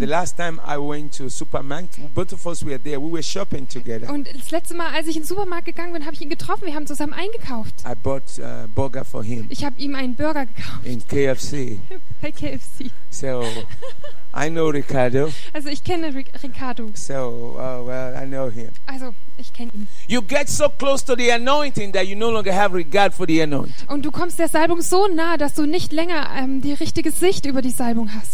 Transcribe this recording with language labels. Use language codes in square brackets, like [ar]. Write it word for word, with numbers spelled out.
[en] The last time I went to Superman, both of us were there. We were shopping together. [de] Und das letzte Mal, als ich in den Supermarkt gegangen bin, habe ich ihn getroffen. Wir haben zusammen eingekauft. [en] I bought, uh, burger for him. [de] Ich habe ihm einen Burger gekauft. [en] In K F C. [de] Bei K F C. [en] So, I know Ricardo. [de] Also, ich kenne Ric-, Ricardo. [en] So, uh, well, I know him. [de] Also, ich kenn ihn. [en] You get so close to the anointing that you no longer have regard for the anointing. [de] Und du kommst der Salbung so nah, dass du nicht länger, ähm, die richtige Sicht über die Salbung hast.